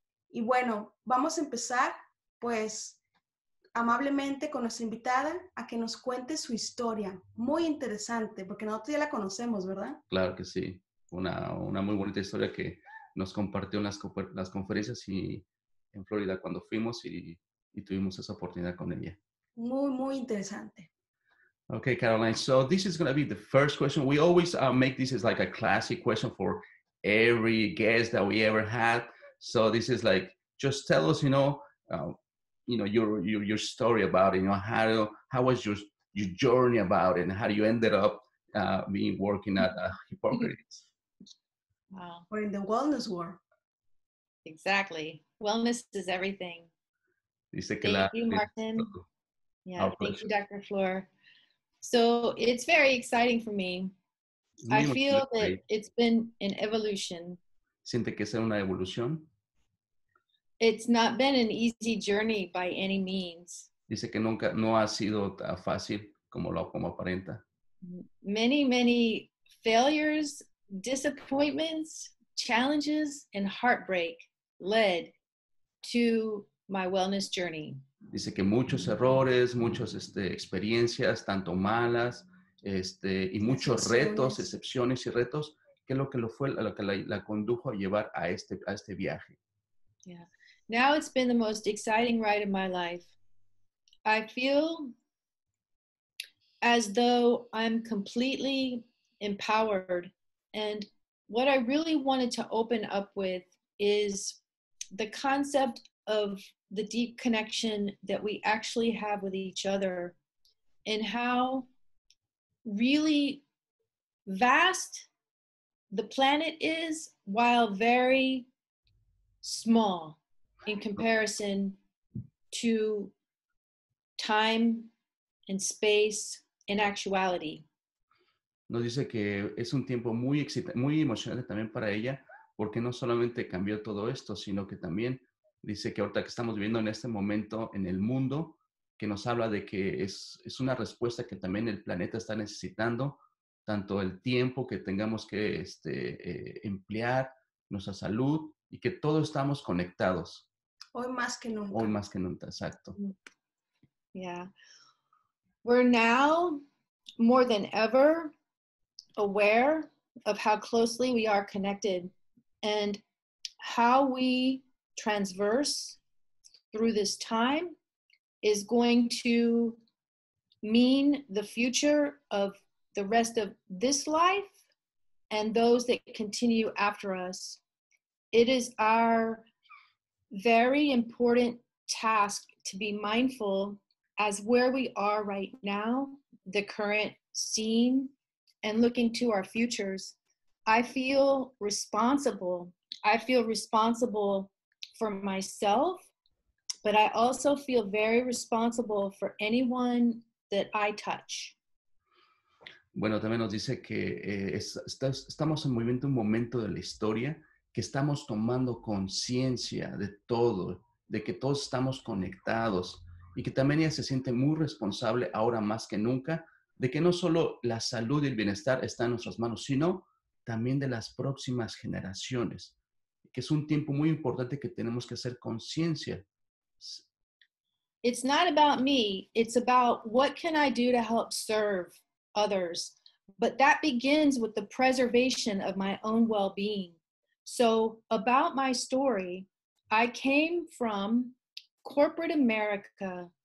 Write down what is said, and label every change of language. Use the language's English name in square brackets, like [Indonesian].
[Spanish] Y bueno, vamos a empezar pues amablemente con nuestra invitada a que nos cuente su historia. Muy interesante, porque nosotros ya la conocemos, ¿verdad? Claro que sí. Una muy bonita historia que nos compartió en las conferencias y en Florida cuando fuimos y tuvimos esa oportunidad con ella. Muy, muy interesante. [English] Okay, Caroline, so this is going to be the first question. We always make this as like a classic question for every guest that we ever had. So this is like, just tell us, you know, your story about it, you know, how was your journey about it and how you ended up being working at Hippocrates? Wow. We're in the wellness war. Exactly. Wellness is everything. [Spanish] Dice que [English] thank you, Martin. Yeah, our thank pleasure. You, Dr. Floor. So it's very exciting for me. I feel that it's been an evolution. [Spanish] Siente que sea una evolución. [English] It's not been an easy journey by any means. [Spanish] Dice que nunca no ha sido tan fácil como aparenta. [English] Many, many failures, disappointments, challenges, and heartbreak led to my wellness journey. [Spanish] Dice que muchos errores, muchas experiencias, tanto malas, y muchos retos, excepciones y retos, que es lo que la condujo a llevar a este viaje. [English] Yeah. Now it's been the most exciting ride of my life. I feel as though I'm completely empowered. And what I really wanted to open up with is the concept of the deep connection that we actually have with each other and how really vast the planet is while very small in comparison to time and space and actuality. [Spanish] Nos dice que es un tiempo muy excitante, muy emocionante también para ella, porque no solamente cambió todo esto, sino que también dice que ahorita que estamos viviendo en este momento en el mundo, que nos habla de que es una respuesta que también el planeta está necesitando, tanto el tiempo que tengamos que emplear, nuestra salud, y que todos estamos conectados. Hoy más que nunca. Hoy más que nunca, exacto. [English] Yeah. We're now more than ever aware of how closely we are connected and how we transverse through this time is going to mean the future of the rest of this life and those that continue after us, it is our very important task to be mindful as where we are right now, the current scene, and looking to our futures. I feel responsible for myself, but I also feel very responsible for anyone that I touch. [Spanish] Bueno, también nos dice que estamos en movimiento, un momento de la historia, que estamos tomando conciencia de todo, de que todos estamos conectados, y que también ella se siente muy responsable ahora más que nunca, de que no solo la salud y el bienestar están en nuestras manos, sino también de las próximas generaciones, que es un tiempo muy importante que tenemos que hacer conciencia. [English] It's not about me, it's about what can I do to help serve others. But that begins with the preservation of my own well-being. So about my story, I came from corporate America.